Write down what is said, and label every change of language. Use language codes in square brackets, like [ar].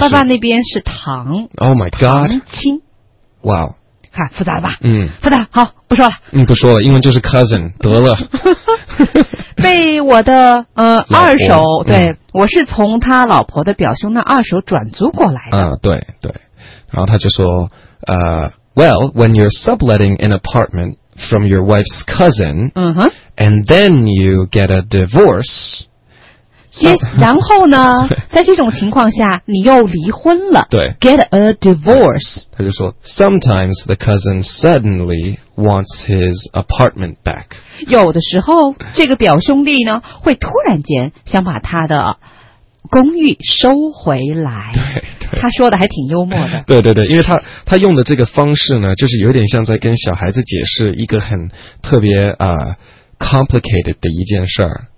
[zh] 爸爸那边是堂。 [en] Oh my god！ [zh] 堂亲，哇、wow ，看复杂了吧？嗯，复杂。好，不说了。嗯，不说了，英文就是 cousin 得了。被我的二手，对、嗯，我是从他老婆的表兄那二手转租过来的。啊、对对，然后他就说 [en] Well, when you're subletting an apartment from your wife's cousin,、 uh-huh. and then you get a divorce. [zh] Yes, 然后呢，在这种情况下，你又离婚了。对 [en] ，get a divorce. [zh] 他就说 [en] ，sometimes the cousin suddenly wants his apartment back. [zh] 有的时候，这个表兄弟呢，会突然间想把他的公寓收回来。对对，他说的还挺幽默的。对对对，因为他用的这个方式呢，就是有点像在跟小孩子解释一个很特别complicated 的一件事儿，